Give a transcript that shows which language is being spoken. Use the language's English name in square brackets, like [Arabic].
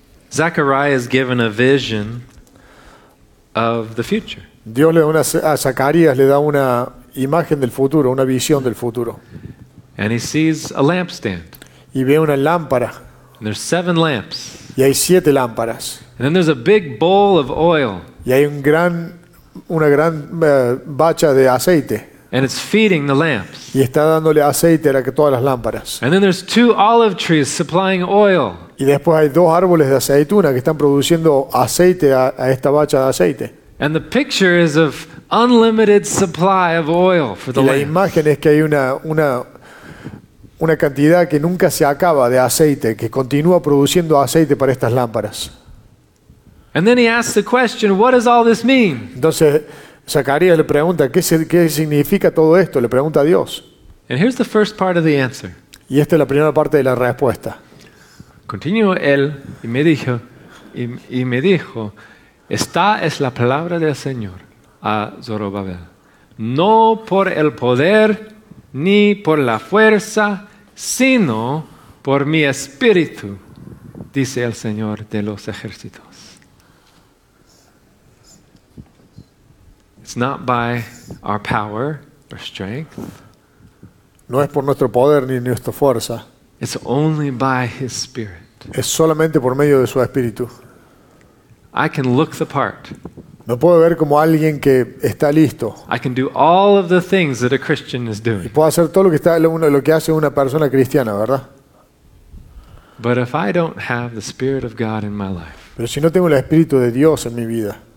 [English] Zechariah is given a vision of the future. [Spanish] Dios le da a Zacarías le da una imagen del futuro, una visión del futuro. [English] And he sees a lampstand. [Spanish] Y ve una lámpara. [English] And there's seven lamps. [Spanish] Y hay siete lámparas. [English] And then there's a big bowl of oil. [Spanish] Y hay una gran bacha de aceite. [English] And it's feeding the lamps. [Spanish] Y está dándole aceite a todas las lámparas. [English] And then there's two olive trees supplying oil. [Spanish] Y después hay dos árboles de aceituna que están produciendo aceite a esta bacha de aceite. [English] And the picture is of unlimited supply of oil for the lamps. [Spanish] La imagen es que hay una cantidad que nunca se acaba de aceite, que continúa produciendo aceite para estas lámparas. [English] And then he asks the question, what does all this mean? [Spanish] Entonces Zacarías le pregunta, ¿qué significa todo esto? Le pregunta a Dios. [English] And here's the first part of the answer. [Spanish] Y esta es la primera parte de la respuesta. Continuó él y me dijo, esta es la palabra del Señor a Zorobabel. No por el poder ni por la fuerza, sino por mi espíritu, dice el Señor de los ejércitos. [English] It's not by our power or strength. [Spanish] No es por nuestro poder ni nuestra fuerza. [English] It's only by his spirit. [Spanish] Es solamente por medio de su espíritu. [English] I can look the part. [Spanish] Me puedo ver como alguien que está listo. [English] I can do all of the things that a Christian is doing. [Spanish] Y puedo hacer todo lo que hace una persona cristiana, ¿verdad? [English] But if I don't have the Spirit of God in my life. [Spanish] Pero si no tengo el Espíritu de Dios en mi vida.